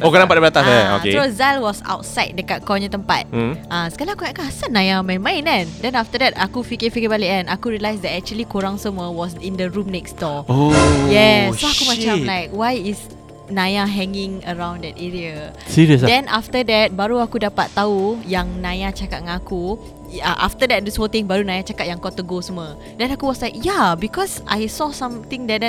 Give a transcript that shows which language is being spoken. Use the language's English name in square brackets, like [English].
[Malay] Oh, kau nampak daripada atas eh? Okay. Terus Zal [English] was outside [Malay] dekat kau punya tempat. Sekarang aku ingatkan asal Naya main-main kan? Then after that, aku fikir-fikir balik kan? [English] Aku realise that actually korang semua was in the room next door. Oh, [Malay] so aku macam [English] like, why is Naya hanging around that area? [Malay] Serius? Then after that, baru aku dapat tahu yang Naya cakap dengan aku. After that, this whole thing, baru Naya cakap yang kau tegur semua. [English] Then aku was like, yeah, because I saw something there.